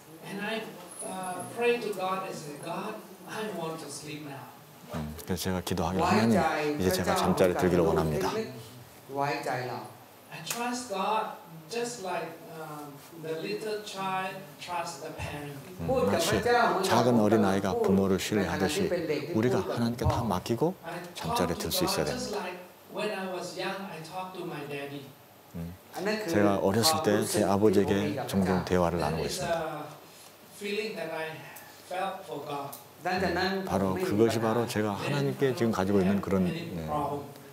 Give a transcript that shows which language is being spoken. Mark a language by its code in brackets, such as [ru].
[en] And I pray to God as God, I want to sleep now. [ko] 그래서 제가 기도하기 하나님, 이제 제가 잠자리 들기를 원합니다. [en] Why I trust God. Just like the little child trusts the parent. [ko] 마치 작은 어린 아이가 부모를 신뢰하듯이 우리가 하나님께 다 맡기고 잠자리에 들 수 있어야 됩니다. [en] Just like when I was young, I talked to my daddy. [ko] 제가 어렸을 때 제 아버지에게 종종 대화를 나누고 있습니다. [en] Feeling that I felt for God. [ko] 바로 그것이 바로 제가 하나님께 지금 가지고 있는 그런 느낌이고.